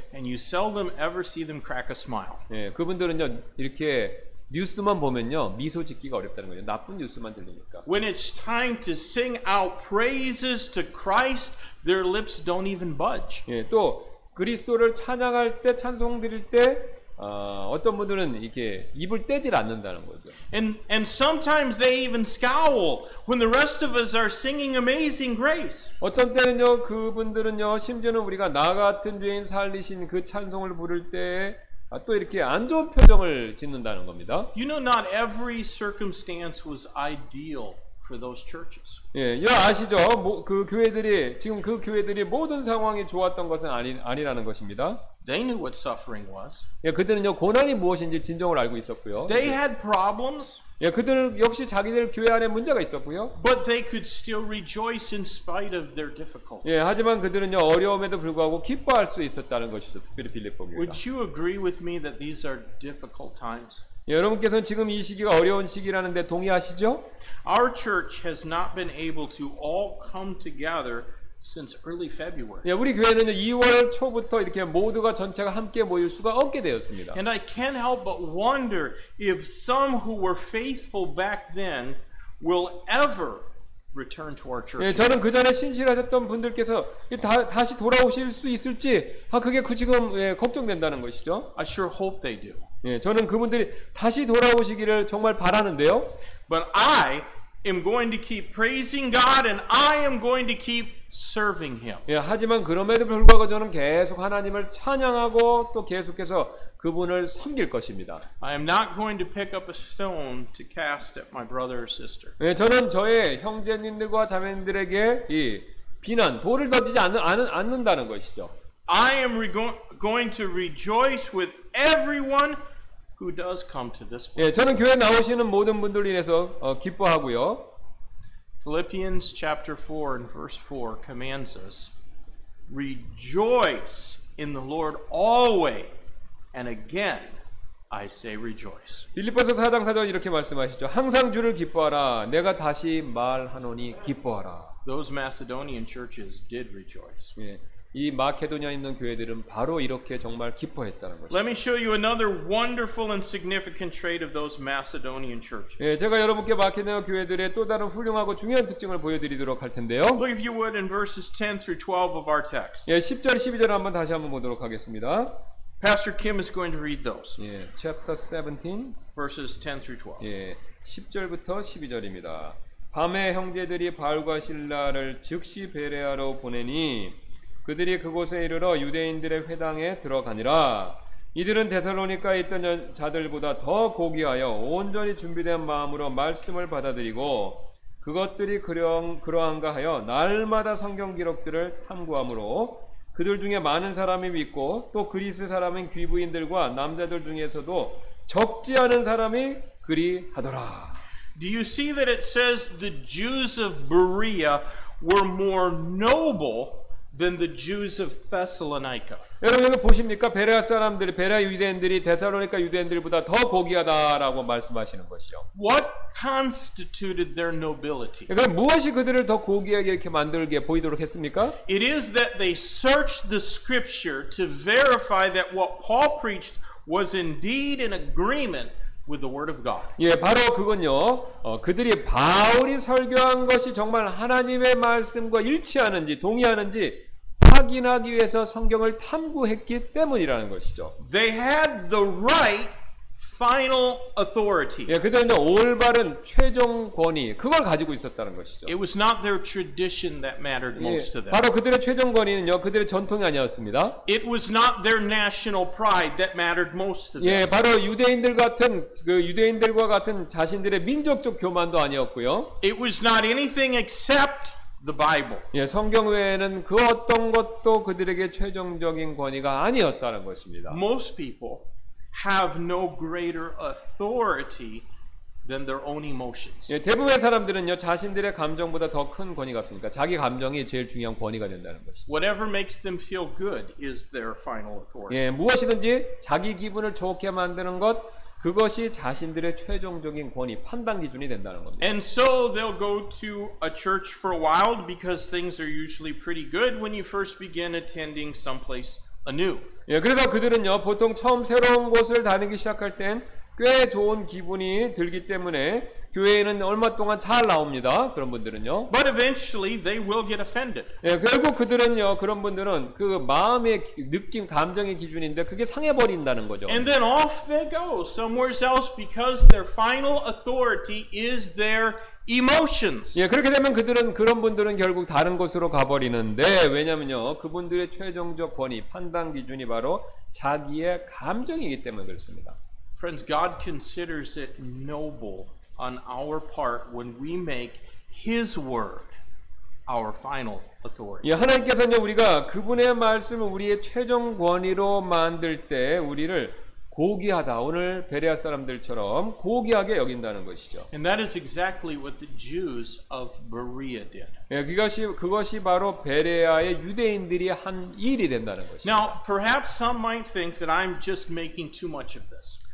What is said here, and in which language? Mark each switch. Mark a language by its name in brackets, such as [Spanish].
[English] And you seldom ever see them crack a smile. [Korean] 예, 그분들은요. 이렇게 뉴스만 보면요. 미소 짓기가 어렵다는 거예요. 나쁜 뉴스만 들리니까. [English] When it's time to sing out praises to Christ, their lips don't even budge. [Korean] 예, 또 그리스도를 찬양할 때 찬송 드릴 때 어떤 분들은 이렇게 입을 떼질 않는다는 거죠. [English] And sometimes they even scowl when the rest of us are singing Amazing Grace. [Korean] 어떤 때는요, 그분들은요, 심지어는 우리가 나 같은 죄인 살리신 그 찬송을 부를 때 또 이렇게 안 좋은 표정을 짓는다는 겁니다. [English] You know, not every circumstance was ideal for those churches. [Korean] 예, 아시죠? 그 교회들이 지금 그 교회들이 모든 상황이 좋았던 것은 아니라는 것입니다. [English] They knew what suffering was. [Korean] 예, 그들은요 고난이 무엇인지 진정을 알고 있었고요. [English] They had problems. [Korean] 예, 그들 역시 자기들 교회 안에 문제가 있었고요. [English] But they could still rejoice in spite of their difficulties. [Korean] 예, 하지만 그들은요 어려움에도 불구하고 기뻐할 수 있었다는 것이죠. 특별히 빌립보가. [English] Would you agree with me that these are difficult times? [Korean] 예, 여러분께서는 지금 이 시기가 어려운 시기라는데 동의하시죠? [English] Our church has not been able to all come together since early February. [Korean] 예, 우리 교회는 2월 초부터 이렇게 모두가 전체가 함께 모일 수가 없게 되었습니다. [English] And I can't help but wonder if some who were faithful back then will ever return to our church. [Korean] 예, 저는 그 전에 신실하셨던 분들께서 다시 돌아오실 수 있을지 그게 그 지금 예, 걱정된다는 것이죠. [English] I sure hope they do. [Korean] 예, 저는 그분들이 다시 돌아오시기를 정말 바라는데요. [English] But I am going to keep praising God and I am going to keep serving him. [Korean] 예, 하지만 그럼에도 불구하고 저는 계속 하나님을 찬양하고 또 계속해서 그분을 섬길 것입니다. [English] I am not going to pick up a stone to cast at my brother or sister. [Korean] 예, 저는 저의 형제님들과 자매님들에게 이 비난, 돌을 던지지 않는다는 것이죠. [English] I am going to rejoice with everyone who does come to this place. [Korean] 예, 저는 교회 나오시는 모든 분들 인해서 기뻐하고요. [English] Philippians chapter 4 and verse 4 commands us, rejoice in the Lord always, and again I say rejoice. [Korean] 빌립보서 4장 4절 이렇게 말씀하시죠. 항상 주를 기뻐하라. 내가 다시 말하노니 기뻐하라. [English] Those Macedonian churches did rejoice. [Korean] 예, 이 마케도니아 있는 교회들은 바로 이렇게 정말 기뻐했다는 것입니다. [English] Let me show you another wonderful and significant trait of those Macedonian churches. [Korean] 예, 제가 여러분께 마케도니아 교회들의 또 다른 훌륭하고 중요한 특징을 보여드리도록 할 텐데요. [English] Look if you would in verses 10 through 12 of our text. [Korean] 예, 10절 12절 한번 다시 한번 보도록 하겠습니다. [English] Pastor Kim is going to read those. 예, chapter 17 verses 10 through 12. [Korean] 예, 10절부터 12절입니다. 밤에 형제들이 바울과 실라를 즉시 베레아로 보내니 그들이 그곳에 이르러 유대인들의 회당에 들어가니라. 이들은 데살로니가에 있던 자들보다 더 고귀하여 온전히 준비된 마음으로 말씀을 받아들이고 그것들이 그러한가 하여 날마다 성경 기록들을 탐구함으로 그들 중에 많은 사람이 믿고 또 그리스 사람인 귀부인들과 남자들 중에서도 적지 않은 사람이 그리하더라. [English] Do you see that it says the Jews of Berea were more noble than the Jews of Thessalonica. [Korean] 여러분 여기 보십니까? 베레아 사람들이 베레아 유대인들이 데살로니가 유대인들보다 더 고귀하다라고 말씀하시는 것이요. [English] What constituted their nobility? [Korean] 그러니까 무엇이 그들을 더 고귀하게 이렇게 만들게 보이도록 했습니까? [English] It is that they searched the scripture to verify that what Paul preached was indeed in agreement with the word of God. [Korean] 예, 바로 그건요. 그들이 바울이 설교한 것이 정말 하나님의 말씀과 일치하는지 동의하는지 확인하기 위해서 성경을 탐구했기 때문이라는 것이죠. [English] They had the right final authority. [Korean] 예, 그들은 올바른 최종 권위 그걸 가지고 있었다는 것이죠. [English] It was not their tradition that mattered most to them. [Korean] 바로 그들의 최종 권위는요, 그들의 전통이 아니었습니다. [English] It was not their national pride that mattered most to them. [Korean] 예, 바로 유대인들 같은 그 유대인들과 같은 자신들의 민족적 교만도 아니었고요. [English] It was not anything except the Bible. [Korean] 예, 성경 외에는 그 어떤 것도 그들에게 최종적인 권위가 아니었다는 것입니다. [English] Most people have no greater authority than their own emotions. [Korean] 예, 대부분의 사람들은요, 자신들의 감정보다 더 큰 권위가 없으니까 자기 감정이 제일 중요한 권위가 된다는 것이죠. [English] Whatever makes them feel good is their final authority. [Korean] 예, 무엇이든지 자기 기분을 좋게 만드는 것 그것이 자신들의 최종적인 권위, 판단 기준이 된다는 겁니다. [English] And so they'll go to a church for a while because things are usually pretty good when you first begin attending someplace anew. [Korean] 예, 그래서 그들은요, 보통 처음 새로운 곳을 다니기 시작할 땐 꽤 좋은 기분이 들기 때문에 교회에는 얼마 동안 잘 나옵니다. 그런 분들은요. [English] But eventually they will get offended. [Korean] 예, 결국 그들은요, 그런 분들은 그 마음의 느낌, 감정의 기준인데 그게 상해 버린다는 거죠. [English] And then off they go somewhere else because their final authority is their emotions. [Korean] 예, 그렇게 되면 그들은 그런 분들은 결국 다른 곳으로 가 버리는데 왜냐면요. 그분들의 최종적 권위, 판단 기준이 바로 자기의 감정이기 때문에 그렇습니다. [English] Friends, God considers it noble on our part when we make His word our final authority. [Korean] 예, 하나님께서는 우리가 그분의 말씀을 우리의 최종 권위로 만들 때 우리를 고귀하다 오늘 베레아 사람들처럼 고귀하게 여긴다는 것이죠. [English] And that is exactly what the Jews of Berea did. [Korean] 예, 그것이 바로 베레아의 유대인들이 한 일이 된다는 것이죠. [English] Now, perhaps some might think that I'm just making too much of this.